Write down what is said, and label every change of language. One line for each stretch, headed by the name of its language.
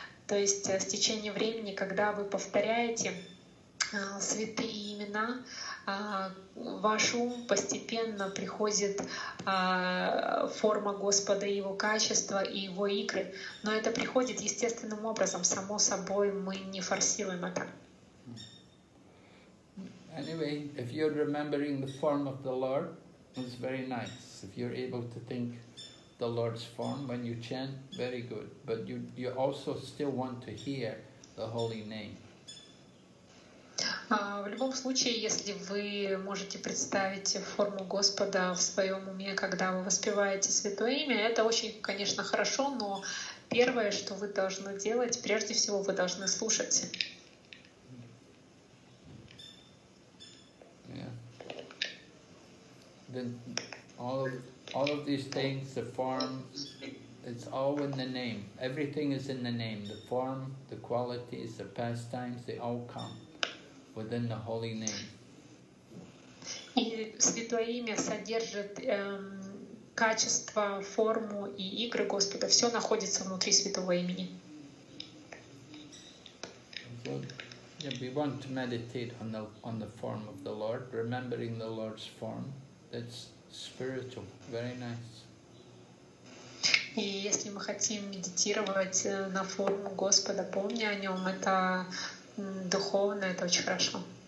Russian: То есть с течением времени, когда вы повторяете святые имена, ваш ум постепенно приходит форма Господа, Его качества и Его икры. Но это приходит естественным образом. Само собой, мы не форсируем это.
English: Anyway, if you're remembering the form of the Lord, is very nice. If you're able to think the Lord's form when you chant, very good. But you also still want to hear the holy name.
Russian: В любом случае, если вы можете представить форму Господа в своем уме, когда вы воспеваете Святое Имя, это очень, конечно, хорошо, но первое, что вы должны делать, прежде всего, вы должны слушать.
English: Yeah. Then all of these things, the form, it's all in the name. Everything is in the name. The form, the qualities, the pastimes, they all come within the holy name.
Russian: И Святое Имя содержит качество, форму и игры Господа. Все находится внутри Святого Имени.
English: So, yeah, we want to meditate on the form of the Lord, remembering the Lord's form. That's spiritual. Very nice.
Russian: И если мы хотим медитировать на форму Господа, помня о нем, это духовно, это очень хорошо.